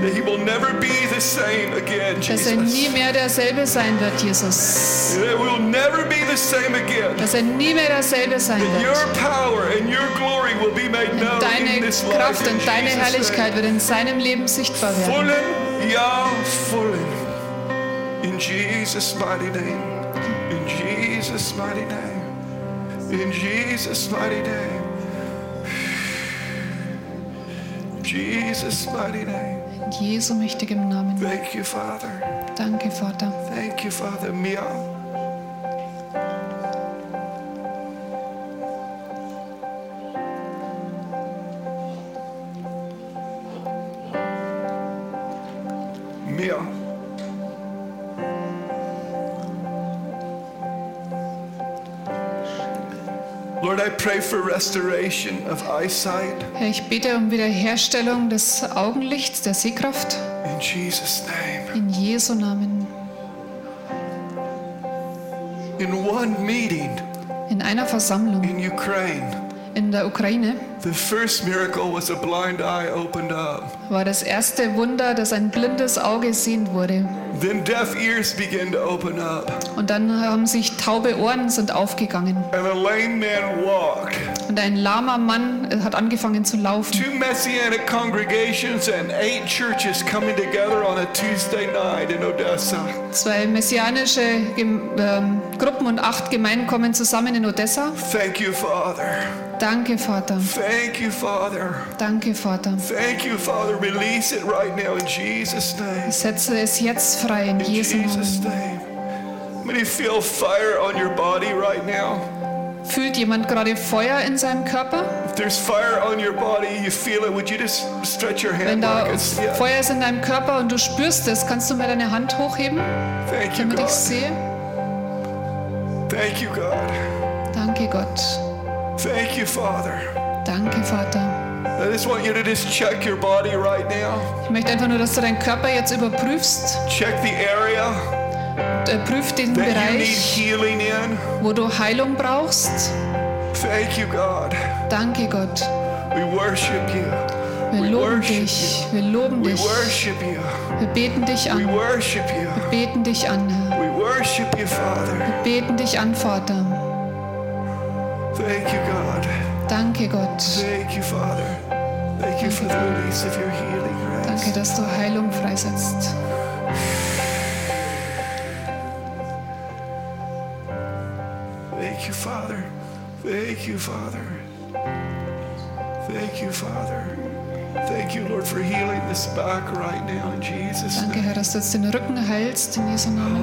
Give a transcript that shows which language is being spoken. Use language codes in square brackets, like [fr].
[en] That he will never be the same again, Jesus. [de] Dass er nie mehr derselbe sein wird, Jesus. [en] That will never be the same again. [de] Dass er nie mehr derselbe sein wird. [en] Your power and your glory will be made known in this life. [de] Deine Kraft und deine Herrlichkeit wird in seinem Leben sichtbar werden. [en] Fullen, ja, fullen. In Jesus mighty name. In Jesus mighty name. In Jesus mighty name. Jesus' mighty name. [de] Jesu mächtigem Namen. [en] Thank you, Father. [de] Danke, Vater. [en] Thank you, Father. Mia. Mia. Lord, I pray for restoration of eyesight. [de] Herr, ich bete um Wiederherstellung des Augenlichts, der Sehkraft. [en] In Jesus' name. [de] In Jesu Namen. [en] In one meeting. [de] In einer Versammlung. [en] In Ukraine. [de] In der Ukraine. [en] The first miracle was a blind eye opened up. [de] War das erste Wunder, dass ein blindes Auge sehend wurde. [en] Then deaf ears began to open up. [de] Und dann haben sich taube Ohren sind aufgegangen. [en] And a lame man walked. [de] Und ein lahmer Mann hat angefangen zu laufen. [en] Two messianic congregations and eight churches coming together on a Tuesday night in Odessa. [de] Zwei messianische Gruppen und acht Gemeinden kommen zusammen in Odessa. [en] Thank you, Father. [de] Danke, Vater. [en] Thank you, Father. [de] Danke, Vater. [en] Thank you, Father. Release it right now in Jesus' name. [de] Setze es jetzt frei in Jesu Namen. [en] In Jesus' name. Can you feel fire on your body right now? [de] Fühlt jemand gerade Feuer in seinem Körper? [en] If there's fire on your body, you feel it. Would you just stretch your hand? [de] Wenn da Feuer ist in deinem Körper und du spürst es, kannst du mal deine Hand hochheben, [en] thank [de] damit [en] you, [de] ich sehe? [en] Thank you, God. [de] Danke, Gott. [en] Thank you, Father. [de] Danke, Vater. [en] I just want you to just check your body right now. [de] Ich möchte einfach nur, dass du deinen Körper jetzt überprüfst. [en] Check the area. [de] Überprüf den Bereich, wo du Heilung brauchst. [en] Thank you, God. [de] Danke, Gott. [en] We worship you. [de] Wir loben dich. Wir loben dich. [en] We worship you. [de] Wir beten dich an. [en] We worship you. [de] Wir beten dich an. [en] We worship you, Father. [de] Wir beten dich an, Vater. [en] Thank you, God. [de] Danke, Gott. [en] Thank you, Father. Thank you for the release of your healing grace. [de] Danke, dass du Heilung freisetzt. [en] Thank you, Father. Thank you, Father. Thank you, Father. Thank you, Lord, for healing this back right now in Jesus' name. [de] Danke, Herr, dass du jetzt den Rücken heilst in Jesu Namen.